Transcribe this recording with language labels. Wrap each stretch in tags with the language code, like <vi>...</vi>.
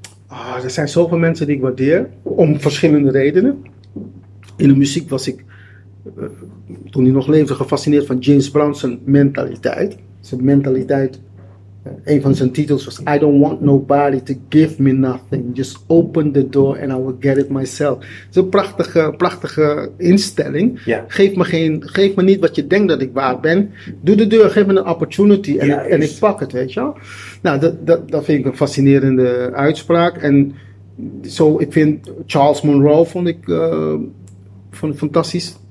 <nl>Oh, er zijn zoveel mensen die ik waardeer, om verschillende redenen. In de muziek was ik, toen hij nog leefde, gefascineerd van James Brown's mentaliteit. Zijn mentaliteit, een van zijn titels was</nl> <en>I don't want nobody to give me nothing. Just open the door and I will get it myself.</en> <nl>Het is een prachtige instelling. Ja. Geef me niet wat je denkt dat ik waard ben. Doe de deur, geef me een opportunity en ik pak het, weet je wel. Nou, dat vind ik een fascinerende uitspraak. En zo, ik vind Charles Monroe vond ik fantastisch.</nl>